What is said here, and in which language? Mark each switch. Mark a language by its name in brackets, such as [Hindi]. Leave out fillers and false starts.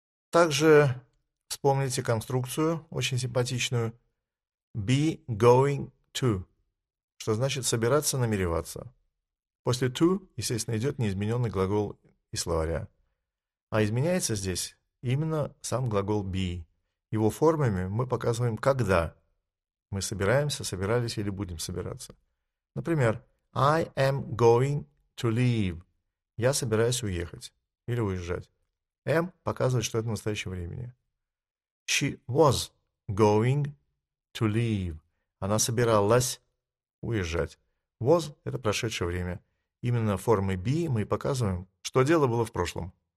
[Russian] Также вспомните конструкцию, очень симпатичную, be going to, что значит собираться, намереваться. После to, естественно, идет неизмененный глагол из словаря. А изменяется здесь именно сам глагол be. Его формами мы показываем, когда мы собираемся, собирались или будем собираться. Например, [English] I am going to leave. [Russian] Я собираюсь уехать или уезжать. Am показывает, что это в настоящее времени. [English] She was going to leave. [Russian] Она собиралась уезжать. Was – это прошедшее время. Именно формой be мы показываем, что дело было в прошлом.